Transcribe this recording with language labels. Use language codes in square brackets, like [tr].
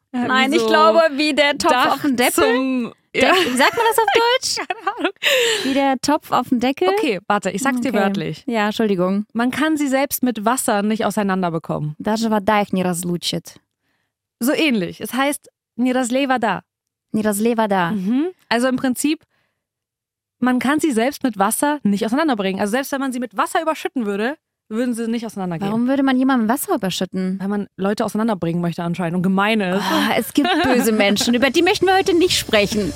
[de] Nein, ich glaube, wie der Topf Dach auf dem Deckel. Sagt man das auf Deutsch? Keine Ahnung. Wie der Topf auf dem Deckel? Okay, warte, ich sag's dir wörtlich. Ja, Entschuldigung. Man kann sie selbst mit Wasser nicht auseinanderbekommen. [ru] Даже вода их не разлучит. [de] So ähnlich. [ru] Es heißt, не разлей вода. Не разлей вода. [de] Also im Prinzip, man kann sie selbst mit Wasser nicht auseinanderbringen. Also selbst wenn man sie mit Wasser überschütten würde, würden sie nicht auseinandergehen. Warum würde man jemanden Wasser überschütten? Weil man Leute auseinanderbringen möchte anscheinend und gemein ist. Oh, es gibt böse Menschen, über die möchten wir heute nicht sprechen.